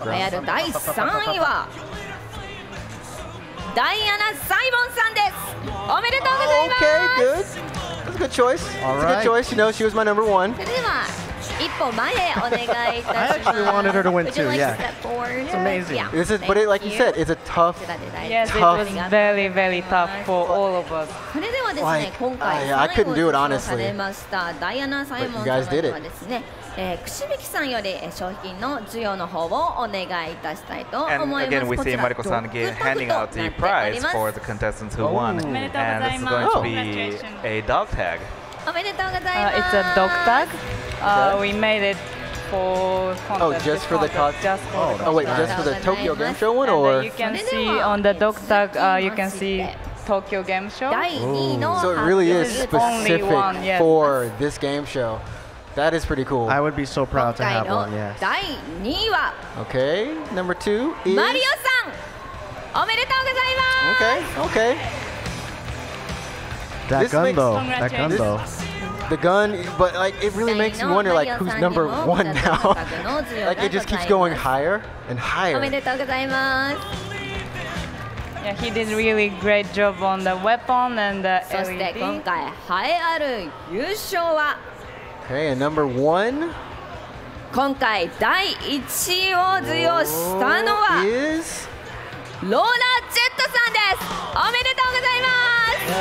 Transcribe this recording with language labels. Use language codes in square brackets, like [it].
[ja] 今回やる第3位はダイアナ・サイモンさんです。おめでとうございます。Okay, [en] good. That's a good choice. That's a good choice. You know, she was my number one. [ja] それでは一歩前へお願いいたします。I [en] actually wanted her to win too, yeah. It's amazing. Yeah. This is, but it, like you said, it's a tough, it was very, very tough for all of us. I couldn't do it, honestly. But you guys did it. And again, we see Mariko-san handing out the prize for the contestants who won. And this is going to be a dog tag. It's a dog tag. We made it for oh, just for the cost. Just for the Tokyo Game Show one, or you can see on the dog tag, you can see Tokyo Game Show. Ooh. So it really is specific for this game show. That is pretty cool. I would be so proud to have one. Yes. Okay, number two is Mario-san. [ja] おめでとうございます。 [en] Okay, okay. That gun though, that gun though. The gun, but like it really makes you wonder like who's number one now. Like it just keeps going higher and higher. [ja] おめでとうございます。 [en] Yeah, he did really great job on the weapon and the LED. [ja] そして今回栄えある優勝は [en] Okay, and number one [ja] 今回第一位を授与したのは [en] is [ja] ローラージェットさんです。おめでとうございます。